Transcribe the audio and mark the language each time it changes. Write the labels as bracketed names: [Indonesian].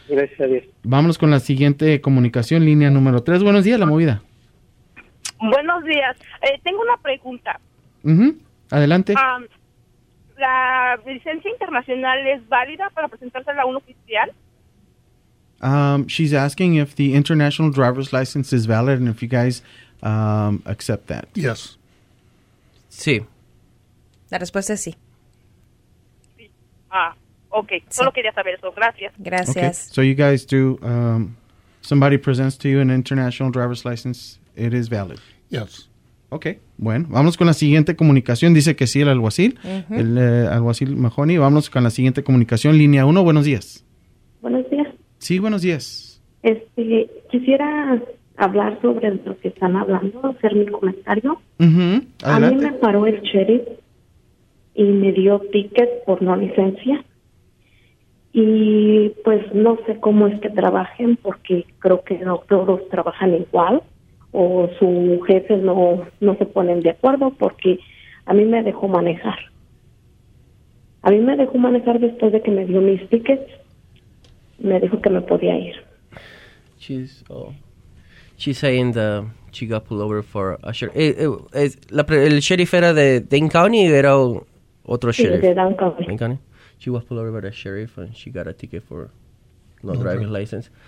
[Spanish] Gracias a Dios. Vámonos con la siguiente comunicación, línea número 3. Buenos días, La Movida. Buenos días. Tengo una pregunta. Adelante. ¿La licencia internacional es válida para presentarse a la 1 oficial? [English] She's asking if the international driver's license is valid and if you guys accept that. Yes. [Spanish] Sí. La respuesta es sí. Sí. Solo quería saber eso. Gracias. Okay. [English] So you guys do, somebody presents to you an international driver's license, it is valid. Yes. [Spanish] Okay. Bueno, vamos con la siguiente comunicación. Dice que sí el alguacil, el alguacil Mahoney. Vamos con la siguiente comunicación. Línea 1, buenos días. Buenos días. Sí, buenos días. Quisiera hablar sobre lo que están hablando, hacer mi comentario. Adelante. A mí me paró el sheriff y me dio ticket por no licencia. Y pues no sé cómo es que trabajen, porque creo que no todos trabajan igual o su jefe no se ponen de acuerdo, porque a mí me dejó manejar. A mí me dejó manejar después de que me dio mis tickets. Me dijo que me podía ir. [English] She's saying that she got pulled over for a sheriff. [Spanish] El sheriff era de Dane County o era otro sheriff? Sí, de Dane County. [English] She was pulled over by the sheriff and she got a ticket for no driving license.